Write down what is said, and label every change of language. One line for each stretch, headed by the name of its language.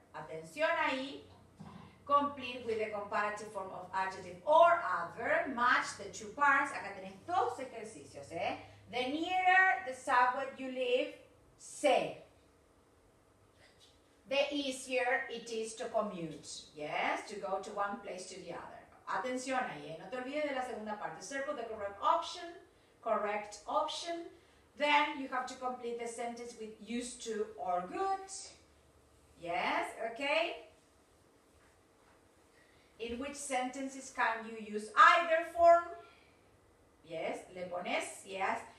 Spanish: Atención ahí.
English: Complete with the comparative form of adjective or adverb. Match the two parts.
Spanish: Acá tenés dos ejercicios, ¿eh?
English: The nearer the subway you live, say. The easier it is to commute, yes, to go to one place to the other.
Spanish: Atención ahí, no te olvides de la segunda parte.
English: Circle the correct option, then you have to complete the sentence with used to or good, yes, okay? In which sentences can you use either form? Yes,
Spanish: le pones,
English: yes.